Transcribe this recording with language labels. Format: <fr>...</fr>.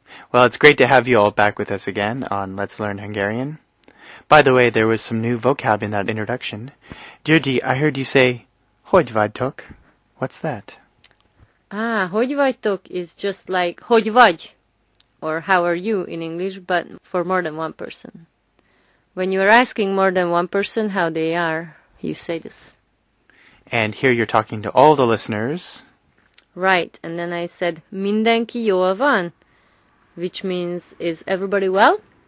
<en>Well, it's great to have you all back with us again on Let's Learn Hungarian. By the way, there was some new vocab in that introduction. Györgyi, I heard you say,</en> <hu>hogy vagytok?</hu> <en>What's that? Ah,</en> <hu>hogy vagytok</hu> <en>is just like,</en> <hu>hogy vagy?</hu> <en>Or how are you in English, but for more than one person. When you are asking more than one person how they are, you say this. And here you're talking to all the listeners. Right, and then I said,</en> <hu>mindenki jól van,</hu> <en>which means, is everybody well?</en>